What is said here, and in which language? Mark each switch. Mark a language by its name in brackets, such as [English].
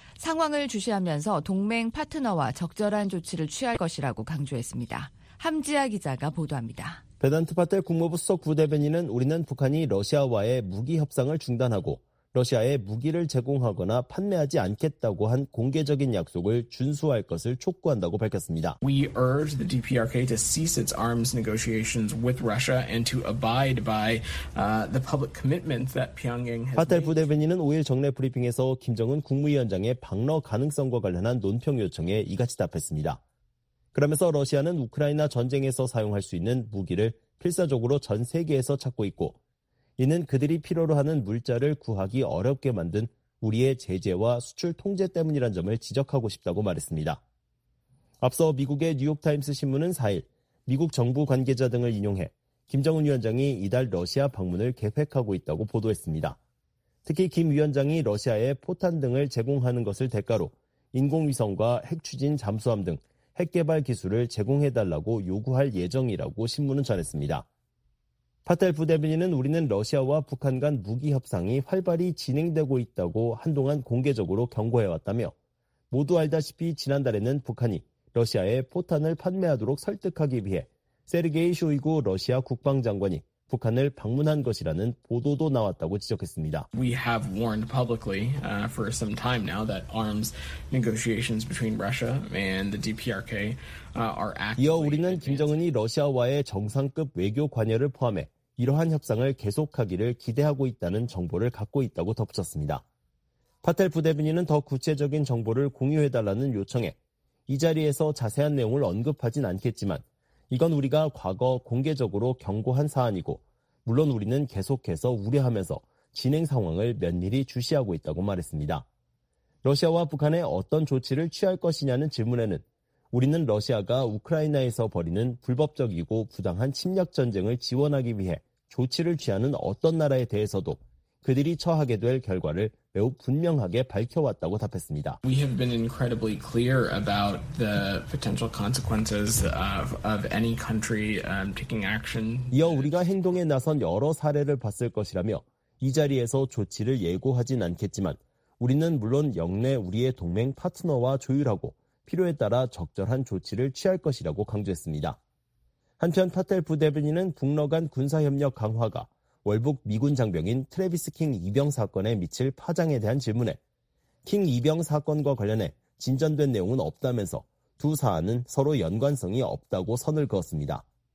[Korean] 상황을 주시하면서 동맹 파트너와 적절한 조치를 취할 것이라고 강조했습니다. 함지아 기자가 보도합니다. 베단트 파텔 국무부 수석 부대변인은 우리는 북한이 러시아와의 무기 협상을 중단하고 러시아에 무기를 제공하거나 판매하지 않겠다고 한 공개적인 약속을 준수할 것을 촉구한다고 밝혔습니다. [English] We urge the DPRK to cease its arms negotiations with Russia and to abide by the public commitments that Pyongyang has made. [Korean] 파텔 부대변인은 5일 정례 브리핑에서 김정은 국무위원장의 방러 가능성과 관련한 논평 요청에 이같이 답했습니다. 그러면서 러시아는 우크라이나 전쟁에서 사용할 수 있는 무기를 필사적으로 전 세계에서 찾고 있고 이는 그들이 필요로 하는 물자를 구하기 어렵게 만든 우리의 제재와 수출 통제 때문이란 점을 지적하고 싶다고 말했습니다. 앞서 미국의 뉴욕타임스 신문은 4일 미국 정부 관계자 등을 인용해 김정은 위원장이 이달 러시아 방문을 계획하고 있다고 보도했습니다. 특히 김 위원장이 러시아에 포탄 등을 제공하는 것을 대가로 인공위성과 핵추진 잠수함 등 핵개발 기술을 제공해달라고 요구할 예정이라고 신문은 전했습니다. 파텔 부대변인은 우리는 러시아와 북한 간 무기 협상이 활발히 진행되고 있다고 한동안 공개적으로 경고해왔다며 모두 알다시피 지난달에는 북한이 러시아에 포탄을 판매하도록 설득하기 위해 세르게이 쇼이구 러시아 국방장관이 북한을 방문한 것이라는 보도도 나왔다고 지적했습니다. [English] We have warned publicly for some time now that arms negotiations between Russia and the DPRK are actively. [Korean] 이어 우리는 김정은이 러시아와의 정상급 외교 관여를 포함해 이러한 협상을 계속하기를 기대하고 있다는 정보를 갖고 있다고 덧붙였습니다. 파텔 부대변인은 더 구체적인 정보를 공유해달라는 요청에 이 자리에서 자세한 내용을 언급하진 않겠지만 이건 우리가 과거 공개적으로 경고한 사안이고 물론 우리는 계속해서 우려하면서 진행 상황을 면밀히 주시하고 있다고 말했습니다. 러시아와 북한의 어떤 조치를 취할 것이냐는 질문에는 우리는 러시아가 우크라이나에서 벌이는 불법적이고 부당한 침략 전쟁을 지원하기 위해 조치를 취하는 어떤 나라에 대해서도 그들이 처하게 될 결과를 매우 분명하게 밝혀왔다고 답했습니다. [English] We have been incredibly clear about the potential consequences of any country taking action. [Korean] 이어 우리가 행동에 나선 여러 사례를 봤을 것이라며 이 자리에서 조치를 예고하진 않겠지만 우리는 물론 역내 우리의 동맹 파트너와 조율하고 필요에 따라 적절한 조치를 취할 것이라고 강조했습니다. 한편 파텔 부대변인은 북러 간 군사협력 강화가 월북 미군 장병인 트래비스 킹 이병 사건에 미칠 파장에 대한 질문에 킹 이병 사건과 관련해 진전된 내용은 없다면서 두 사안은 서로 연관성이 없다고 선을 그었습니다.